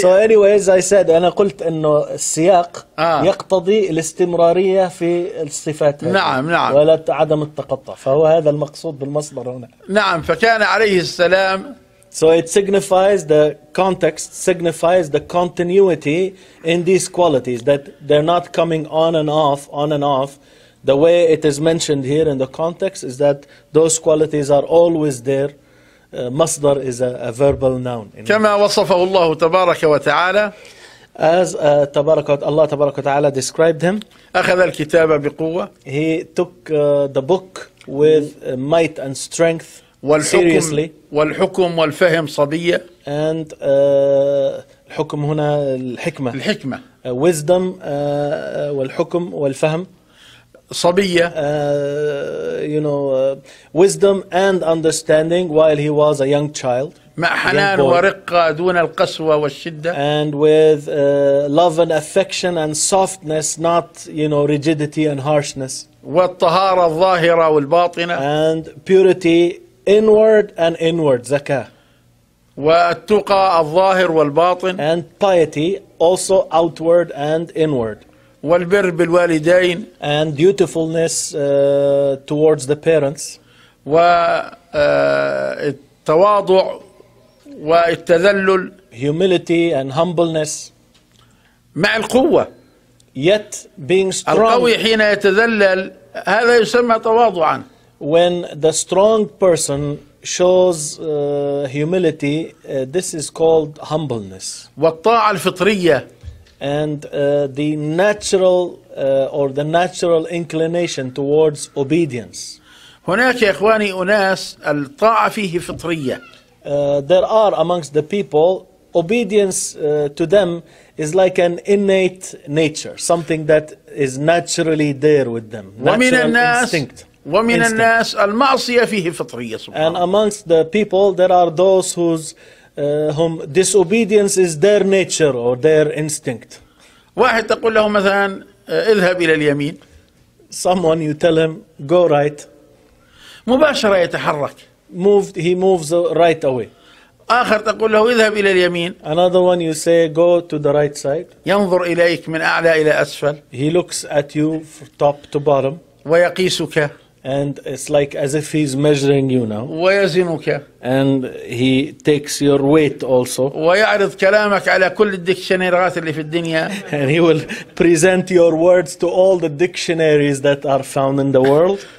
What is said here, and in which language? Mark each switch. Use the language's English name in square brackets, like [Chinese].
[English] So anyways I said [Arabic] أنا قلت إنه السياق يقتضي الاستمرارية في الصفات. نعم نعم. ولا عدم التقطع. فهو هذا المقصود بالمصدر هنا. نعم فكان عليه السلام. [English] So it signifies the context, signifies the continuity in these qualities, that they're not coming on and off. The way it is mentioned here in the context is that those qualities are always there. Masdar is a verbal noun. [Arabic] كما وصفه الله تبارك وتعالى. [English] As Allah تبارك وتعالى described him. [Arabic] أخذ الكتاب بقوة. [English] He took the book with might and strength. [Arabic] والحكم, والحكم والفهم صبية and الحكم هنا الحكمة الحكمة wisdom والحكم والفهم صبية [English] you know wisdom and understanding while he was a young child [Arabic] مع حنان ورقة دون القسوة والشدة [English] and with love and affection and softness not you know rigidity and harshness [Arabic] والطهارة الظاهرة والباطنة [English] and purity inward and inward zakah [Arabic] والتقى الظاهر والباطن [English] and piety also outward and inward [Arabic] والبر بالوالدين [English] and dutifulness towards the parents [Arabic] والتواضع والتذلل [English] humility and humbleness [Arabic] مع القوة [English] yet being strong [Arabic] القوي حين يتذلل هذا يسمى تواضعا [English] When the strong person shows humility, this is called humbleness. [Arabic] والطاعة الفطرية. [English] And the natural or the natural inclination towards obedience. [Arabic] هناك يا إخواني أناس الطاعة فيه فطرية. [English] There are amongst the people obedience to them is like an innate nature, something that is naturally there with them. [Arabic] ومن الناس. ومن Instant. الناس المعصية فيه فطرية سبحانه. [English] And amongst the people there are those whose whom disobedience is their nature or their instinct. [Arabic] واحد تقول له مثلا اذهب إلى اليمين. [English] Someone you tell him go right. [Arabic] مباشرة يتحرك. [English] Moved he moves right away. [Arabic] آخر تقول له اذهب إلى اليمين. [English] Another one you say go to the right side. [Arabic] ينظر إليك من أعلى إلى أسفل. [English] He looks at you from top to bottom. [Arabic] ويقيسك. [English] And it's like as if he's measuring you now. [Arabic] ويزنك. [English] And he takes your weight also. [Arabic] ويعرض كلامك على كل الدكشنيرات اللي في الدنيا. [English] And he will present your words to all the dictionaries that are found in the world.